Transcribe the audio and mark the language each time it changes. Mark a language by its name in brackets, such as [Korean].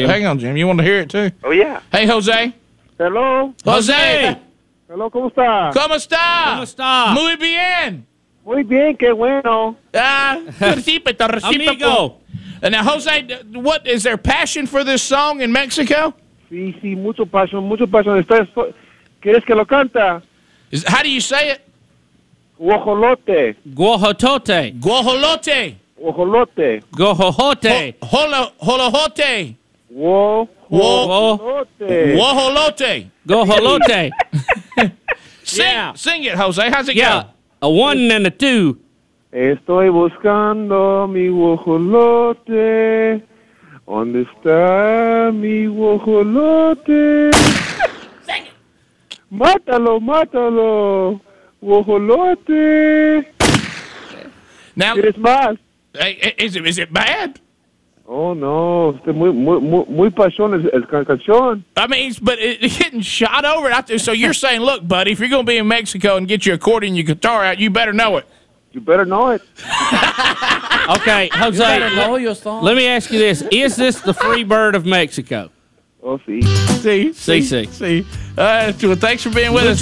[English] hang on, Jim. You want to hear it, too? Oh, yeah. Hey, Jose. Hello. Jose. [Spanish] Hello, ¿cómo está? ¿Cómo está? ¿Cómo está? Muy bien. Muy bien, qué bueno. Amigo. [English] And now, Jose, what is there passion for this song in Mexico? [Spanish] Sí, sí, mucho pasión, mucho pasión. ¿Quieres que lo canta? [English] How do you say it? [Spanish] Guajolote. Guajolote. Guajolote. Guajolote. Guajolote. Guajolote. Guajolote. Guajolote. [English] Sing it, Jose. How's it go? A one and a two. [Spanish] Estoy buscando mi guajolote. ¿Dónde está mi guajolote? [English] Sing it. [Spanish] Mátalo, mátalo. Guajolote. [English] Now, it's mal. Is it bad? Oh, no. [Spanish] Este muy pasión el canción. [English] I mean, but it getting shot over. So you're saying, look, buddy, if you're going to be in Mexico and get your accordion and your guitar out, you better know it. You better know it. Okay, Jose. You better know your song. Let me ask you this. Is this the free bird of Mexico? [Spanish] Oh, sí. [English] Sí. Thanks for being with